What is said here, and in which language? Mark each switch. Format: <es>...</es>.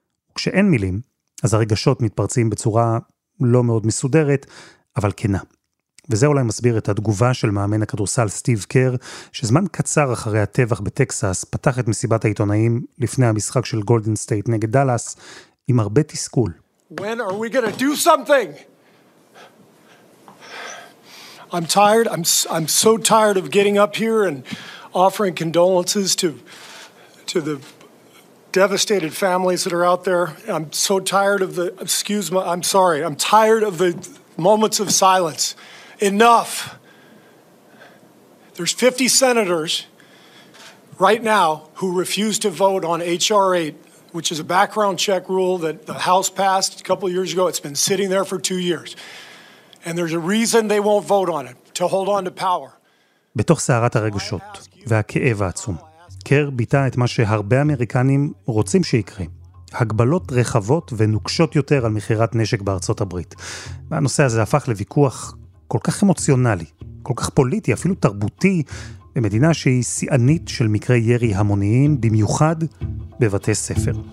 <he>וכשאין מילים, אז הרגשות מתפרצים בצורה לא מאוד מסודרת, אבל כנה. וזה אולי מסביר את התגובה של מאמן הכדורסל סטיב קר, שזמן קצר אחרי הטבח בטקסס פתח את מסיבת העיתונאים לפני המשחק של גולדן סטייט נגד דאלאס עם הרבה תסכול.</he> <en>When are we going to do something? I'm tired. I'm so tired of getting up here and offering condolences to the devastated families that are out there. I'm so tired of the excuse me. I'm sorry. I'm tired of the moments of silence. Enough. There's 50 senators right now who refuse to vote on HR8, which is a background check rule that the House passed a couple of years ago. It's been sitting there for 2 years. And there's a reason they won't vote on it, to hold on to power.</en> <he>בתוך סערת הרגשות והכאב העצום, קר ביטא את מה שהרבה אמריקנים רוצים שיקרה. הגבלות רחבות ונוקשות יותר על מכירת נשק בארצות הברית. והנושא הזה הפך לוויכוח כל כך אמוציונלי, כל כך פוליטי, אפילו תרבותי, במדינה שהיא שיאנית של מקרי ירי המוניים, במיוחד בבתי ספר.</he>